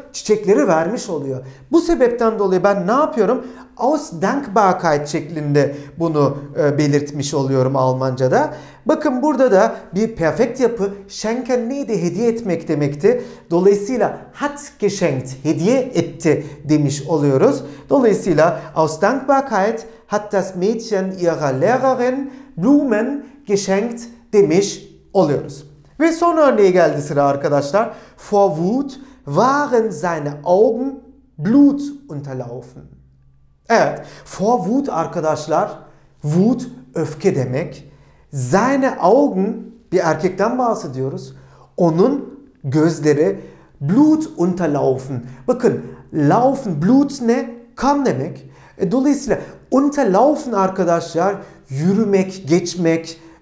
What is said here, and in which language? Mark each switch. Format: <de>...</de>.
<tr>Çiçekleri vermiş oluyor. Bu sebepten dolayı ben ne yapıyorum?</tr> <de>Aus Dankbarkeit</de> <tr>şeklinde bunu belirtmiş oluyorum Almanca'da. Bakın burada da bir perfekt yapı. Schenken neydi? Hediye etmek demekti. Dolayısıyla</tr> <de>hat geschenkt,</de> <tr>hediye etti demiş oluyoruz. Dolayısıyla</tr> <de>aus Dankbarkeit hat das Mädchen ihrer Lehrerin Blumen geschenkt</de> <tr>demiş oluyoruz. Ve son örneğe geldi sıra arkadaşlar.</tr> <de>Vor Wut waren seine Augen Blut unterlaufen.</de> <tr>Evet,</tr> <de>vor Wut</de> <tr>arkadaşlar, Wut öfke demek.</tr> <de>Seine Augen,</de> <tr>bir erkekten bahsediyoruz. Onun gözleri</tr> <de>Blut unterlaufen.</de> <tr>Bakın, laufen, Blut ne? Kan demek. Dolayısıyla unterlaufen arkadaşlar, yürümek, geçmek.</tr>